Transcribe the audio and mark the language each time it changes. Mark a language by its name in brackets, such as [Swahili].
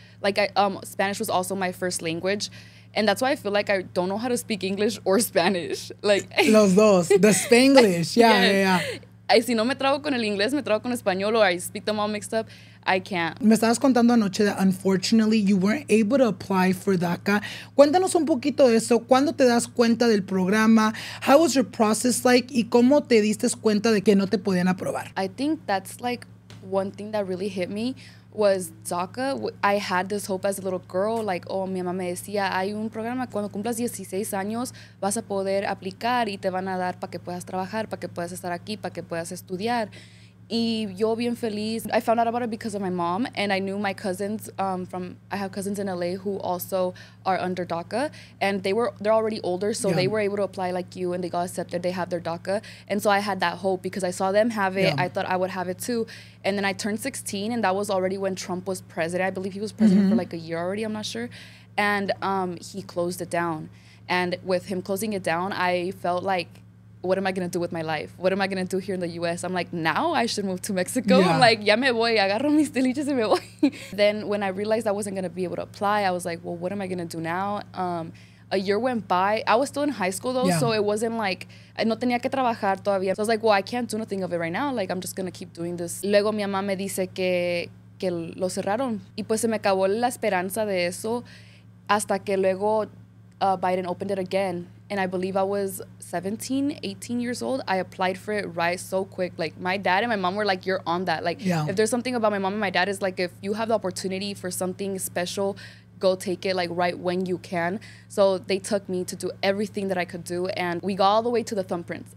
[English] Like, Spanish was also my first language. And that's why I feel like I don't know how to speak English or Spanish. Like, [Spanish] los dos. [English] The Spanglish. Yeah, yeah, yeah. [Spanish] Si no me trago con el inglés, me trago con español, [English] or I speak them all mixed up. I can't. [Spanish] Me estabas contando anoche [English] that unfortunately you weren't able to apply for DACA. [Spanish] Cuéntanos un poquito de eso. ¿Cuándo te das cuenta del programa? [English] How was your process like? [Spanish] ¿Y cómo te diste cuenta de que no te podían aprobar? [English] I think that's like one thing that really hit me was DACA. I had this hope as a little girl, like, oh, [Spanish] mi mamá me decía, hay un programa, cuando cumplas 16 años, vas a poder aplicar y te van a dar para que puedas trabajar, para que puedas estar aquí, para que puedas estudiar. Y yo bien feliz. [English] I found out about it because of my mom, and I knew my cousins from, I have cousins in LA who also are under DACA, and they're already older, so yeah. They were able to apply like you, and they got accepted, they have their DACA. And so I had that hope because I saw them have it. Yeah. I thought I would have it too. And then I turned 16, and that was already when Trump was president. I believe he was president mm-hmm. for like a year already, I'm not sure. And he closed it down. And with him closing it down, I felt like, what am I going to do with my life? What am I going to do here in the U.S.? I'm like, now I should move to Mexico. Yeah. I'm like, [Spanish] ya me voy. Agarro mis deliches y me voy. [English] Then when I realized I wasn't going to be able to apply, I was like, well, what am I going to do now? A year went by. I was still in high school, though, yeah. So it wasn't like, [Spanish] no tenía que trabajar todavía. [English] So I was like, well, I can't do nothing of it right now. Like, I'm just going to keep doing this. [Spanish] Luego mi mamá me dice que lo cerraron. Y pues se me acabó la esperanza de eso hasta que luego Biden [English] opened it again. And I believe I was 17, 18 years old. I applied for it right so quick. Like, my dad and my mom were like, you're on that. Like, yeah. If there's something about my mom and my dad, is like, if you have the opportunity for something special, go take it, like, right when you can. So they took me to do everything that I could do. And we got all the way to the thumbprints.